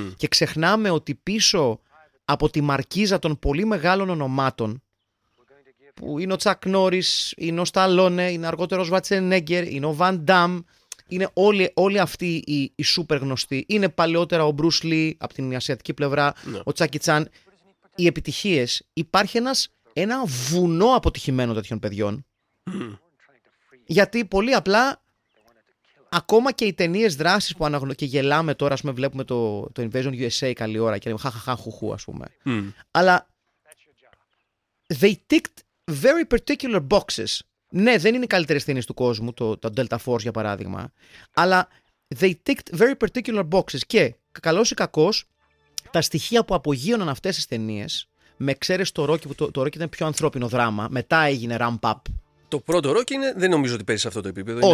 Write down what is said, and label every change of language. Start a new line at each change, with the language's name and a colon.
Greek: Και ξεχνάμε ότι πίσω από τη μαρκίζα των πολύ μεγάλων ονομάτων που είναι ο Τσακ Νόρις, είναι ο Σταλόνε, είναι αργότερος Βατσενέγκερ, είναι ο Βαν Ντάμ, είναι όλοι αυτοί οι σούπερ γνωστοί, είναι παλαιότερα ο Μπρους Λι από την ασιατική πλευρά, ναι, ο Τσάκι Τσάν, οι επιτυχίες, υπάρχει ένα βουνό αποτυχημένων τέτοιων παιδιών. Γιατί πολύ απλά ακόμα και οι ταινίες δράσης που αναγνωρίζουμε και γελάμε τώρα, ας πούμε, βλέπουμε το Invasion USA καλή ώρα και λέμε χαχαχα χουχου, ας πούμε. Αλλά
English: they ticked very particular boxes.
Greek: Ναι, δεν είναι οι καλύτερες ταινίες του κόσμου, το Delta Force για παράδειγμα, αλλά
English: they ticked very particular boxes
Greek: και καλώς ή κακώς τα στοιχεία που απογείωναν αυτές τις ταινίες με εξαίρεση το Rocky, που το Rocky ήταν πιο ανθρώπινο δράμα, μετά έγινε ramp up. Το πρώτο Rocky είναι, δεν νομίζω ότι παίζει σε αυτό το επίπεδο.